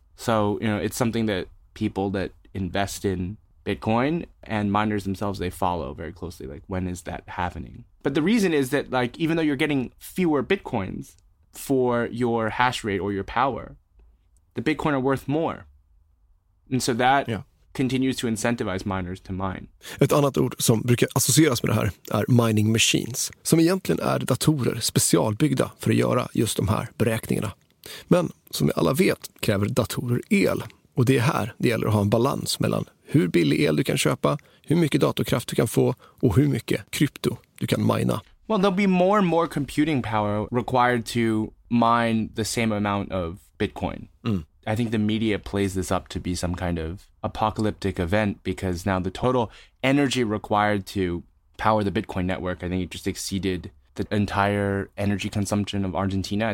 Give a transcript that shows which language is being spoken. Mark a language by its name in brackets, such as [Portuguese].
[English] So, you know, it's something that people that invest in Bitcoin and miners themselves, they follow very closely, like, when is that happening? But the reason is that, like, even though you're getting fewer Bitcoins for your hash rate or your power, the Bitcoin are worth more. And so that continues to incentivize miners to mine. [Swedish] Ett annat ord som brukar associeras med det här är mining machines, som egentligen är datorer specialbyggda för att göra just de här beräkningarna. Men som vi alla vet kräver datorer el. Och det är här det gäller att ha en balans mellan hur billig el du kan köpa, hur mycket datorkraft du kan få och hur mycket krypto du kan mina. [English] Well, there'll be more and more computing power required to mine the same amount of Bitcoin. Mm. I think the media plays this up to be some kind of apocalyptic event because now the total energy required to power the Bitcoin network, I think it just exceeded the entire energy consumption of Argentina.